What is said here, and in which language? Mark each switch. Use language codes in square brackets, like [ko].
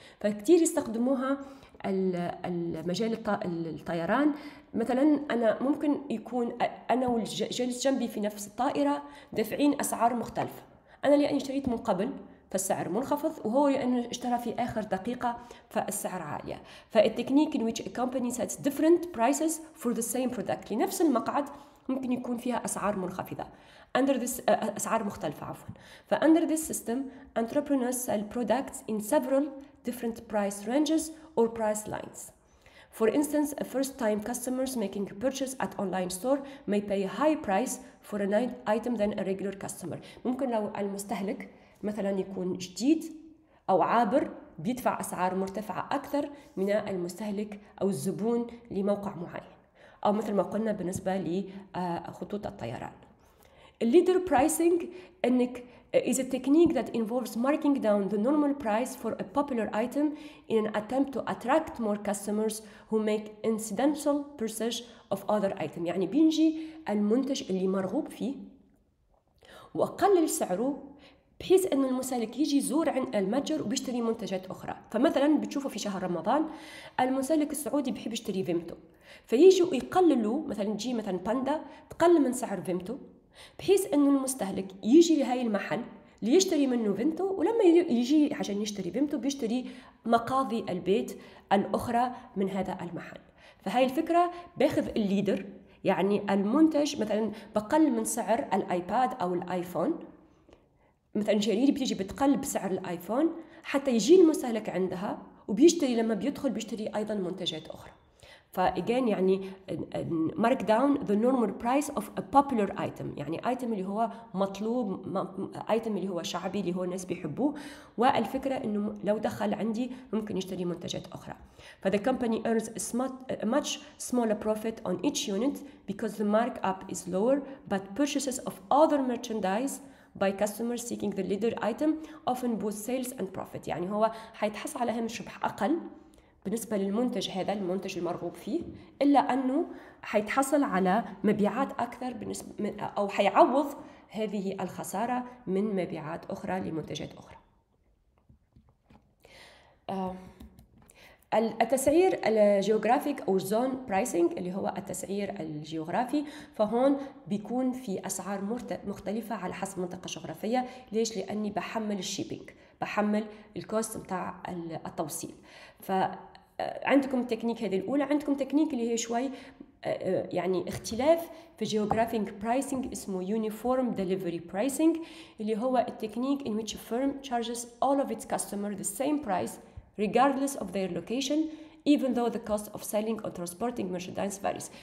[ar] فكتير يستخدموها المجال الطيران، مثلا انا ممكن يكون انا والجالس جنبي في نفس الطائره دافعين اسعار مختلفه، انا لاني اشتريت من قبل فالسعر منخفض، وهو لانه اشترى في اخر دقيقه فالسعر عاليه. [en] فالتكنيك in which company sets different prices for the same product, [ar] لنفس المقعد ممكن يكون فيها اسعار منخفضه [en] under this [ar] اسعار مختلفه عفوا. [en] فunder this system entrepreneurs sell products in several different price ranges or price lines. For instance, a first-time customers making a purchase at online store may pay a high price for an item than a regular customer. [ar] ممكن لو المستهلك مثلا يكون جديد او عابر بيدفع اسعار مرتفعه اكثر من المستهلك او الزبون لموقع معين، او مثل ما قلنا بالنسبه لخطوط الطيران. [en] Leader pricing is a technique that involves marking down the normal price for a popular item in an attempt to attract more customers who make incidental purchase of other items. [ar] يعني بينجي المنتج اللي مرغوب فيه وأقلل سعره بحيث أن المستهلك يجي يزور عند المتجر وبيشتري منتجات أخرى. فمثلاً بتشوفه في شهر رمضان المستهلك السعودي بيحب يشتري فيمتو، فييجي ويقللوا مثلاً جي مثلاً باندا تقلل من سعر فيمتو بحيث أن المستهلك يجي لهاي المحل ليشتري منه فيمتو، ولما يجي عشان يشتري فيمتو بيشتري مقاضي البيت الأخرى من هذا المحل. فهاي الفكرة باخذ الليدر، يعني المنتج مثلا بقل من سعر الآيباد أو الآيفون، مثلا شرير بيجي بتقل بسعر الآيفون حتى يجي المستهلك عندها وبيشتري، لما بيدخل بيشتري أيضا منتجات أخرى. فإجان يعني [en] mark down the normal price of a popular item، [ar] يعني item اللي هو مطلوب، item اللي هو شعبي اللي هو الناس بيحبوه، والفكرة إنه لو دخل عندي ممكن يشتري منتجات أخرى. [en] فthe company earns a much smaller profit on each unit because the markup is lower، but purchases of other merchandise by customers seeking the leader item often boost sales and profit. [ar] يعني هو حيتحس على هامش ربح أقل بالنسبة للمنتج هذا، المنتج المرغوب فيه، إلا أنه حيتحصل على مبيعات أكثر بالنسبة أو حيعوض هذه الخسارة من مبيعات أخرى لمنتجات أخرى. التسعير الجيوغرافيك أو زون برايسينج اللي هو التسعير الجيوغرافي، فهون بيكون في أسعار مختلفة على حسب منطقة جغرافية. ليش؟ لأني بحمل الشيبينج، بحمل الكوست متاع التوصيل. ف عندكم تكنيك هذه الأولى، عندكم تكنيك اللي هي شوي يعني اختلاف في جيوغرافيك برايسنج اسمه يونيفورم ديليفري برايسنج، اللي هو التكنيك [en] in which a firm charges all of its customers the same price regardless of their location even though the cost of selling or transporting merchandise varies.